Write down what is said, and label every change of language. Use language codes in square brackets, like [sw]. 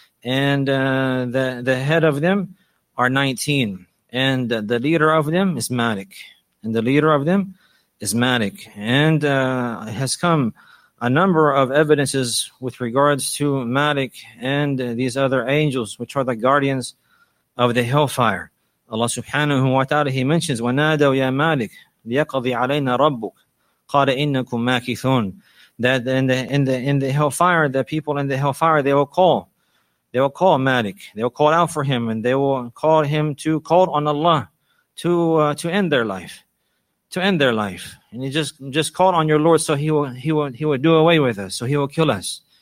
[en] And the head of them are 19. And the leader of them is Malik. And the leader of them is Malik. And it has come a number of evidences with regards to Malik and these other angels, which are the guardians of the hellfire. [ar] Allah subhanahu wa ta'ala, [en] He mentions, [ar] وَنَادَوْ يَا مَالِكْ لِيَقَضِ عَلَيْنَا رَبُّكْ قَالَ إِنَّكُمْ مَاكِثُونَ. [en] That in the hellfire, the people in the hellfire, they will call. They will call Malik. They will call out for him, and they will call him to call on Allah to end their life. To end their life. And you just call on your Lord, so he will do away with us, so he will kill us.